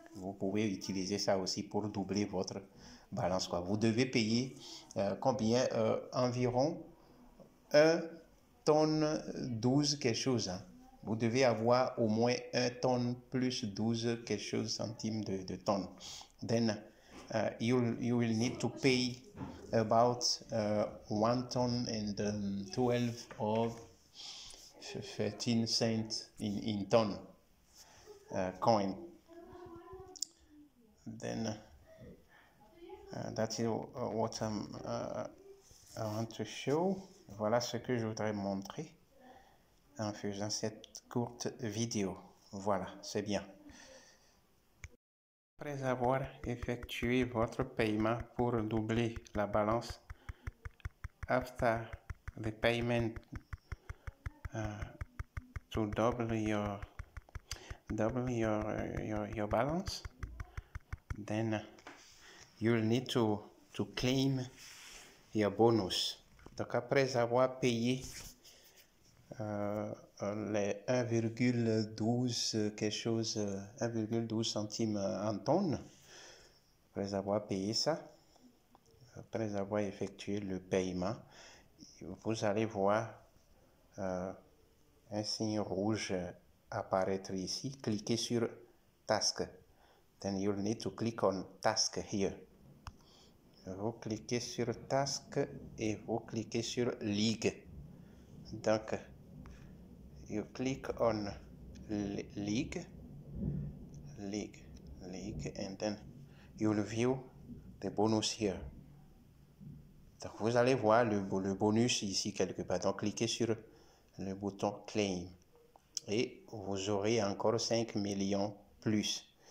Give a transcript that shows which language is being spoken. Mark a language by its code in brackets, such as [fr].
[fr] Vous pouvez utiliser ça aussi pour doubler votre balance, quoi. Vous devez payer combien? Environ 1 tonne 12 quelque chose. Hein. Vous devez avoir au moins 1 tonne plus 12 quelque chose centimes de tonne. [en] Then, you will need to pay about 1 tonne and 12 or 13 cents in tonne coin. Then that is what I'm I want to show. [fr] Voilà ce que je voudrais montrer en faisant cette courte vidéo. Voilà, c'est bien. Après avoir effectué votre paiement pour doubler la balance, [en] after the payment to double your balance, then you'll need to claim your bonus. [fr] Donc après avoir payé les 1,12 quelque chose, 1,12 centimes en tonne, après avoir payé ça, après avoir effectué le paiement, vous allez voir un signe rouge apparaître ici. Cliquez sur task. [en] Then you'll need to click on task here. [fr] Vous cliquez sur task et vous cliquez sur league. [en] Donc you click on league, and then you'll view the bonus here. [fr] Donc vous allez voir le bonus ici quelque part. Donc cliquez sur le bouton claim et vous aurez encore 5 millions plus.